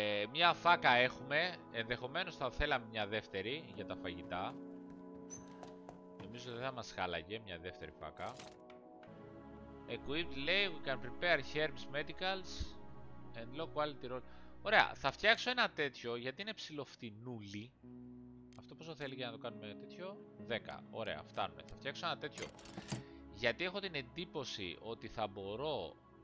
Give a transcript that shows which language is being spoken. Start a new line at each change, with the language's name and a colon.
Greek: Μια φάκα έχουμε, ενδεχομένως θα θέλαμε μια δεύτερη για τα φαγητά. Νομίζω δεν θα μας χάλαγε μια δεύτερη φάκα.
English: Equipped
Greek: λέει,
English: we can prepare herbs, medicals and low quality roll.
Greek: Ωραία, θα φτιάξω ένα τέτοιο γιατί είναι ψιλοφτηνούλι. Αυτό πόσο θέλει για να το κάνουμε τέτοιο, 10, ωραία, φτάνουμε. Θα φτιάξω ένα τέτοιο γιατί έχω την εντύπωση ότι θα μπορώ...